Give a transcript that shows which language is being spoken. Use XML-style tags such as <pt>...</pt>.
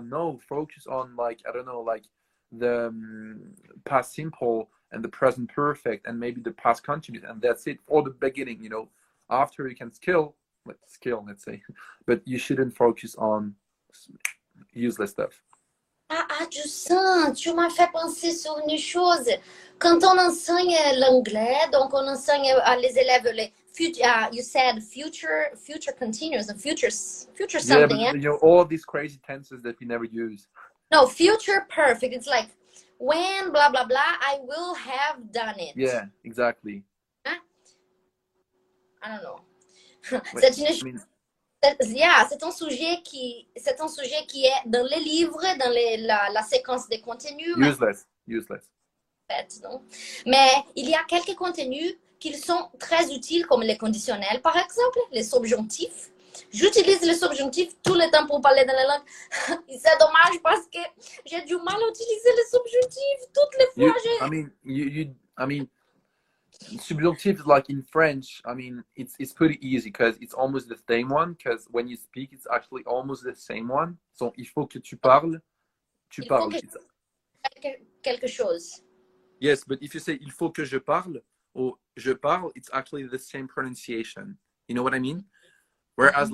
<en>No, focus on like I don't know, like the past simple and the present perfect and maybe the past continuous and that's it or the beginning, you know. After you can skill, let's say, but you shouldn't focus on useless stuff.</en> <fr>Ah, du sang, tu m'as fait penser sur une chose. Quand on enseigne l'anglais, donc on enseigne à les élèves les future.</fr> <en>You said future continuous and future something. Yeah, but, you know, all these crazy tenses that we never use. No, future perfect. It's like when blah blah blah. I will have done it. Yeah, exactly. I don't know.</en> <fr>Wait, c'est un sujet qui est dans les livres, dans les la séquence des contenus.</fr> <en>Useless.</en> <fr>Bête, non? Mais il y a quelques contenus qui sont très utiles, comme les conditionnels, par exemple, les subjonctifs. J'utilise les subjonctifs tout le temps pour parler dans la langue. Et c'est dommage parce que j'ai du mal à utiliser les subjonctifs toutes les fois.</fr> <en>Subjonctif is like in French, I mean, it's pretty easy because it's almost the same one, because when you speak, it's actually almost the same one.</en> <fr>So, il faut que tu parles, tu il parles. Faut que quelque chose.</fr> <en>Yes, but if you say,</en> <fr>il faut que je parle,</fr> <en>or</en> <fr>je parle,</fr> <en>it's actually the same pronunciation. You know what I mean? Whereas, mm-hmm.</en>